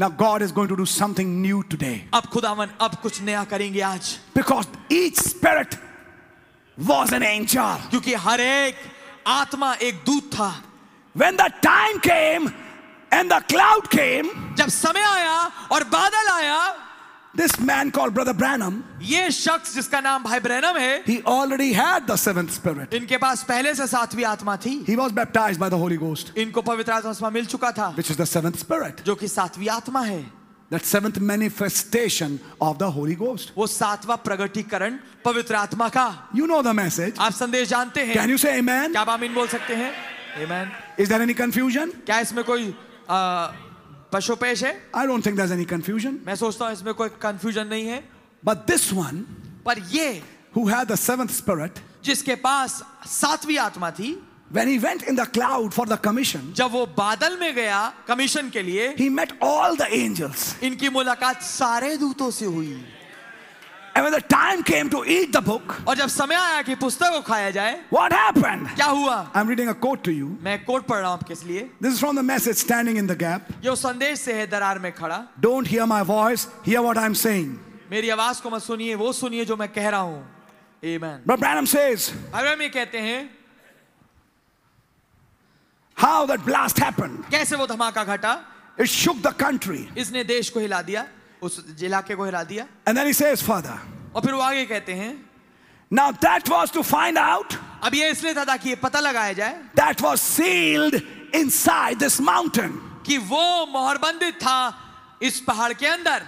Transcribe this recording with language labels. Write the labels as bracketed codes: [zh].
[en] Now God is going to do something new today. [hi] अब खुदावन अब कुछ नया करेंगे आज. [en] Because each spirit was an angel. [hi] क्योंकि हर एक आत्मा एक दूत था. [en] When the time came and the cloud came, [hi] जब समय आया और बादल आया, [en] this man called Brother Branham, [hi] ये शख्स जिसका नाम भाई ब्रैनम है, [en] he already had the seventh spirit. [hi] इनके पास पहले से सातवीं आत्मा थी. [en] He was baptized by the Holy Ghost. [hi] इनको पवित्र आत्मा मिल चुका था. [en] Which is the seventh spirit. [hi] जो कि सातवीं आत्मा है. [en] That seventh manifestation of the Holy Ghost. [hi] वो सातवा प्रगटीकरण पवित्र आत्मा का. [en] You know the message. [hi] आप संदेश जानते हैं. [en] Can you say Amen? [hi] क्या आप आमीन बोल सकते हैं? [en] Amen. Is there any confusion? [hi] क्या इसमें कोई पशुपेश है? [en] I don't think there's any confusion. [hi] मैं सोचता हूँ इसमें कोई confusion नहीं है. [en] But this one. [hi] पर ये. [en] Who had the seventh spirit? [hi] जिसके पास सातवी आत्मा थी. [en] When he went in the cloud for the commission, [hi] जब वो बादल में गया commission के लिए, [en] he met all the angels. [hi] इनकी मुलाकात सारे दूतों से हुई. [en] And when the time came to eat the book, [hi] और जब समय आया कि पुस्तक को खाया जाए, [en] what happened? [hi] क्या हुआ? [en] I'm reading a quote to you. [hi] मैं quote पढ़ रहा हूँ आपके लिए. [en] This is from the message, standing in the gap. [hi] यो संदेश से है दरार में खड़ा. [en] Don't hear my voice, hear what I'm saying. [hi] मेरी आवाज को मत सुनिए, वो सुनिए जो मैं कह रहा हूँ. [en] Amen. But Branham says, [hi] Branham ये कहते हैं. [en] How that blast happened? [hi] कैसे वो धमाका घटा? [en] It shook the country. [hi] इसने देश को हिला दिया, उस इलाके को हिला दिया. [en] And then he says, Father. [hi] और फिर वो आगे कहते हैं. [en] Now that was to find out. [hi] अब ये इसलिए था ताकि ये पता लगाया जाए. [en] That was sealed inside this mountain. [hi] कि वो मोहरबंदित था इस पहाड़ के अंदर.